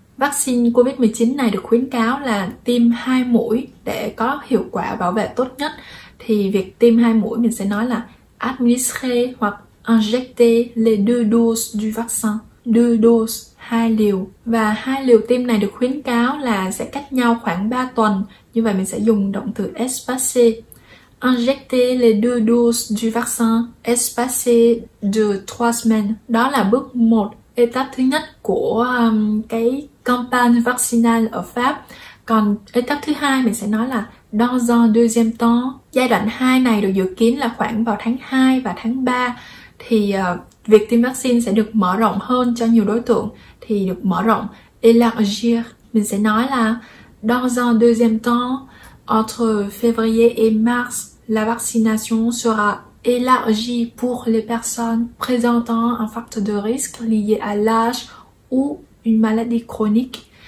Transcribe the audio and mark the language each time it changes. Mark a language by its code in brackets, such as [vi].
[vi] Vaccine COVID-19 này được khuyến cáo là tiêm 2 mũi để có hiệu quả bảo vệ tốt nhất. Thì việc tiêm 2 mũi mình sẽ nói là administrer hoặc [fr] injecter les deux doses du vaccin. Deux doses, [vi] 2 liều. Và 2 liều tiêm này được khuyến cáo là sẽ cách nhau khoảng 3 tuần. Như vậy mình sẽ dùng động từ espacer. [fr] Injecter les deux doses du vaccin espacé de 3 semaines. [vi] Đó là bước 1, étape thứ nhất của cái campagne vaccinale ở Pháp. Còn étape thứ 2 mình sẽ nói là [fr] dans un deuxième temps. [vi] Giai đoạn 2 này được dự kiến là khoảng vào tháng 2 và tháng 3. Thì việc tiêm vaccine sẽ được mở rộng hơn cho nhiều đối tượng. Thì được mở rộng, élargir. Mình sẽ nói là [fr] dans un deuxième temps. Entre février et mars, la vaccination sera élargie pour les personnes présentant un facteur de risque lié à l'âge ou une maladie chronique.